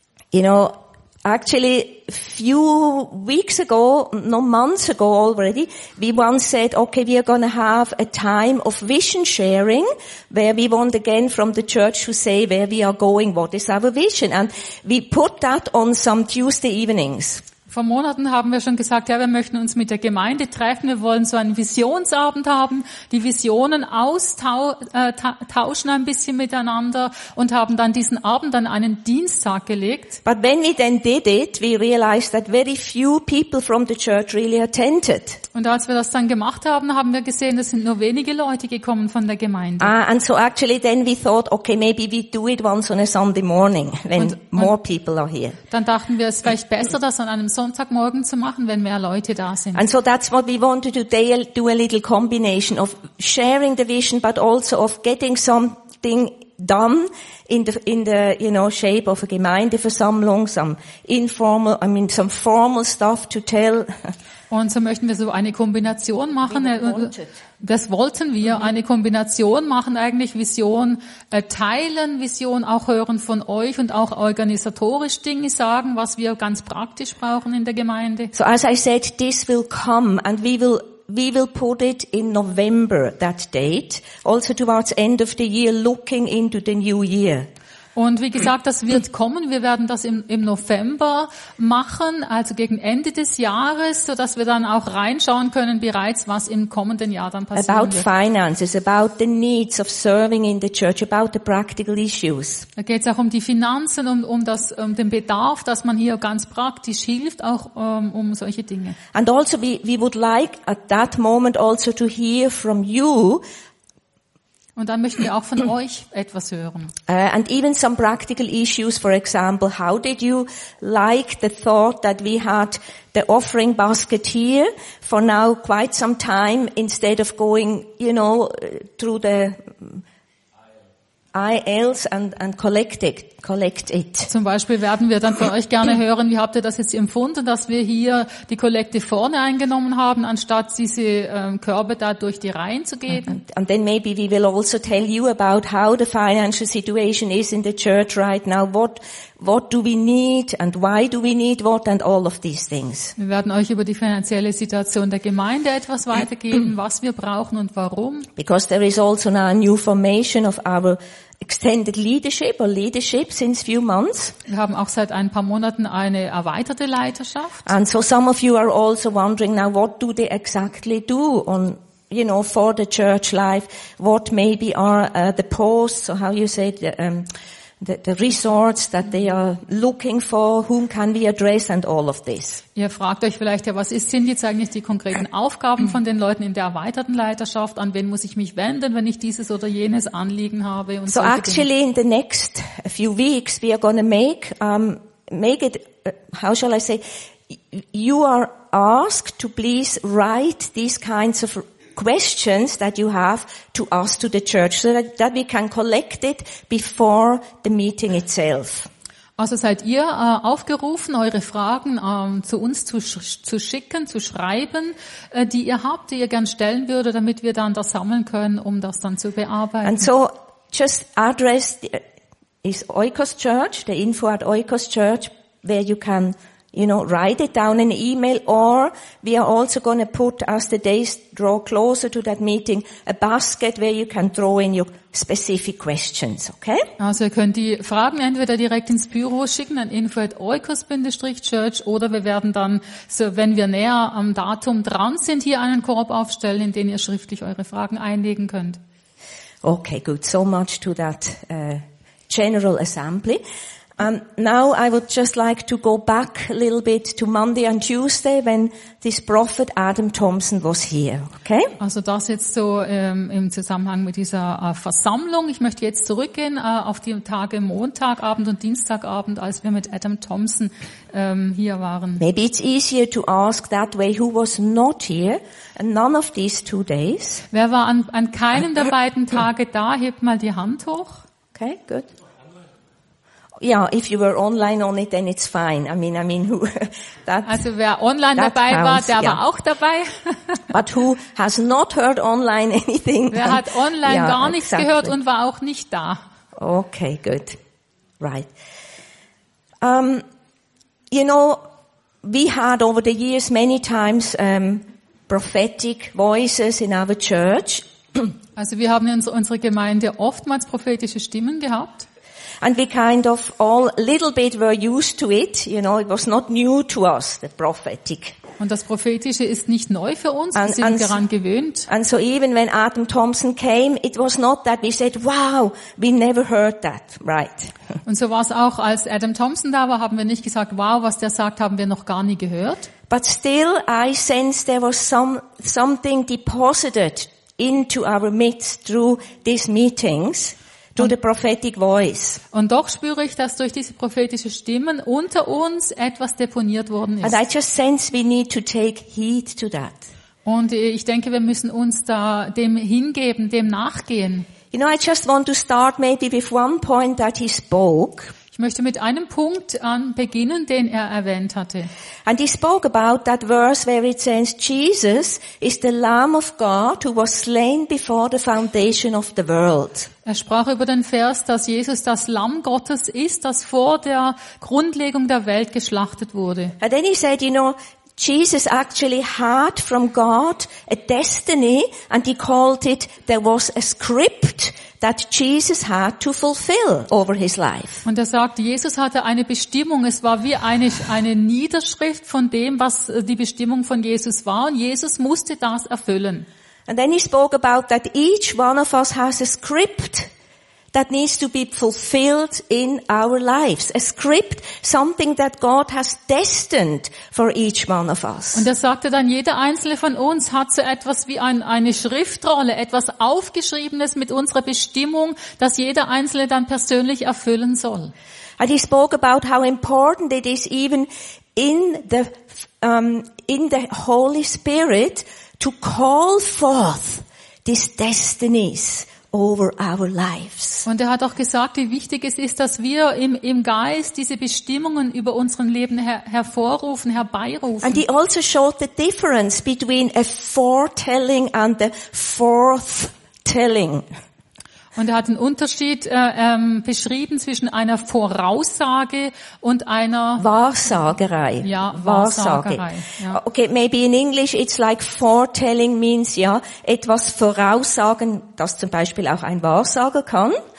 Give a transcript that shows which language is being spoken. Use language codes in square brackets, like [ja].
[en] You know, actually, few weeks ago, no months ago already, we once said, okay, we are going to have a time of vision sharing, where we want again from the church to say where we are going, what is our vision, and we put that on some Tuesday evenings. [de] Vor Monaten haben wir schon gesagt, ja, wir möchten uns mit der Gemeinde treffen, wir wollen so einen Visionsabend haben, die Visionen austauschen ein bisschen miteinander und haben dann diesen Abend an einen Dienstag gelegt. [en] But when we then did it, we realized that very few people from the church really attended. [de] Und als wir das dann gemacht haben, haben wir gesehen, es sind nur wenige Leute gekommen von der Gemeinde. [en] And so actually then we thought, okay, maybe we do it once on a Sunday morning, when more people are here. [de] Dann dachten wir, es ist vielleicht besser, das an einem Sonntagmorgen zu machen, wenn mehr Leute da sind. [en] And so that's what we want to do today, do a little combination of sharing the vision, but also of getting something done in the you know shape of a Gemeindeversammlung, some formal stuff to tell. [de] Und so möchten wir so eine Kombination machen. Das wollten wir, eine Kombination machen, eigentlich Vision teilen, Vision auch hören von euch und auch organisatorisch Dinge sagen, was wir ganz praktisch brauchen in der Gemeinde. [en] So as I said, this will come and we will put it in November, that date, also towards end of the year, looking into the new year. [de] Und wie gesagt, das wird kommen. Wir werden das im November machen, also gegen Ende des Jahres, so dass wir dann auch reinschauen können bereits, was im kommenden Jahr dann passieren [en] about [de] wird. [en] About finances, about the needs of serving in the church, about the practical issues. [de] Da geht es auch um die Finanzen, um den Bedarf, dass man hier ganz praktisch hilft, auch um solche Dinge. [en] And also we would like at that moment also to hear from you. [de] Und dann möchten wir auch von euch etwas hören. [en] And even some practical issues, for example, how did you like the thought that we had the offering basket here for now quite some time instead of going, you know, through the aisles and collect it. [de] Zum Beispiel werden wir dann von euch gerne hören, wie habt ihr das jetzt empfunden, dass wir hier die Kollekte vorne eingenommen haben, anstatt diese Körbe da durch die Reihen zu geben. [en] And then maybe we will also tell you about how the financial situation is in the church right now. What do we need and why do we need what and all of these things. [de] Wir werden euch über die finanzielle Situation der Gemeinde etwas weitergeben, was wir brauchen und warum. [en] Because there is also now a new formation of our extended leadership or leadership since few months. [de] Wir haben auch seit ein paar Monaten eine erweiterte Leiterschaft. [en] And so some of you are also wondering now, what do they exactly do on, you know, for the church life? What maybe are the posts, or how you say, the resorts that they are looking for, whom can we address and all of this. [de] Ihr fragt euch vielleicht ja, was ist, sind jetzt eigentlich die konkreten Aufgaben von den Leuten in der erweiterten Leiterschaft, an wen muss ich mich wenden, wenn ich dieses oder jenes Anliegen habe und so. [en] So actually in the next few weeks we are going to make it, how shall I say, you are asked to please write these kinds of questions that you have to ask to the church, so that we can collect it before the meeting itself. [de] Also seid ihr aufgerufen, eure Fragen zu uns zu schicken, zu schreiben, die ihr habt, die ihr gern stellen würde, damit wir dann das sammeln können, um das dann zu bearbeiten. [en] And so, just address is Oikos Church, the info at Oikos Church, where you can, you know, write it down in email, or we are also going to put, as the days draw closer to that meeting, a basket where you can throw in your specific questions, okay? [de] Also ihr könnt die Fragen entweder direkt ins Büro schicken, an info@oikos-church, oder wir werden dann, so wenn wir näher am Datum dran sind, hier einen Korb aufstellen, in den ihr schriftlich eure Fragen einlegen könnt. [en] Okay, good. So much to that general assembly. Now I would just like to go back a little bit to Monday and Tuesday when this prophet Adam Thompson was here. Okay? [de] Also das jetzt so im Zusammenhang mit dieser Versammlung. Ich möchte jetzt zurückgehen auf die Tage Montagabend und Dienstagabend, als wir mit Adam Thompson hier waren. [en] Maybe it's easier to ask that way who was not here and none of these 2 days. [de] Wer war an keinem der beiden Tage da? Hebt mal die Hand hoch. [en] Okay, good. Yeah, if you were online on it, then it's fine. I mean, who? That, [de] also, wer online [en] that [de] dabei [en] counts, [de] war, der [en] yeah. [de] war auch dabei. [en] But who has not heard online anything? [de] Wer hat online [en] yeah, [de] gar nichts [en] exactly. [de] gehört und war auch nicht da? [en] Okay, good, right. You know, we had over the years many times prophetic voices in our church. [de] Also, wir haben in unserer Gemeinde oftmals prophetische Stimmen gehabt. [en] And we kind of all little bit were used to it, you know, it was not new to us, the prophetic. [de] Und das Prophetische ist nicht neu für uns, wir sind daran gewöhnt. [en] And so even when Adam Thompson came, it was not that we said, wow, we never heard that, right. [de] Und so war es auch, als Adam Thompson da war, haben wir nicht gesagt, wow, was der sagt, haben wir noch gar nie gehört. [en] But still I sensed there was something deposited into our midst through these meetings. To the prophetic voice. [de] Und doch spüre ich, dass durch diese prophetische Stimmen unter uns etwas deponiert worden ist. [en] And I just sense we need to take heed to that. [de] Und ich denke, wir müssen uns da dem hingeben, dem nachgehen. [en] You know, I just want to start maybe with one point that he spoke. [de] Ich möchte mit einem Punkt beginnen, den er erwähnt hatte. [en] And he spoke about that verse where it says, Jesus is the Lamb of God who was slain before the foundation of the world. [de] Er sprach über den Vers, dass Jesus das Lamm Gottes ist, das vor der Grundlegung der Welt geschlachtet wurde. [en] And then he said, you know, Jesus actually had from God a destiny, and he called it, there was a script that Jesus had to fulfill over his life. [de] Und er sagt, Jesus hatte eine Bestimmung, es war wie eine Niederschrift von dem, was die Bestimmung von Jesus war, und Jesus musste das erfüllen. [en] And then he spoke about that each one of us has a script that needs to be fulfilled in our lives. A script, something that God has destined for each one of us. [de] Und er sagte dann, jeder einzelne von uns hat so etwas wie eine Schriftrolle, etwas Aufgeschriebenes mit unserer Bestimmung, das jeder einzelne dann persönlich erfüllen soll. [en] And he spoke about how important it is even in the Holy Spirit to call forth these destinies over our lives. [de] Und er hat auch gesagt, wie wichtig es ist, dass wir im Geist diese Bestimmungen über unseren Leben hervorrufen, herbeirufen. [en] And he also showed the difference between a foretelling and a forthtelling. [de] Und er hat den Unterschied beschrieben zwischen einer Voraussage und einer Wahrsagerei. Ja, Wahrsagerei. Ja. [en] Okay, maybe in English it's like foretelling means, [de] ja, etwas voraussagen, das zum Beispiel auch ein Wahrsager kann.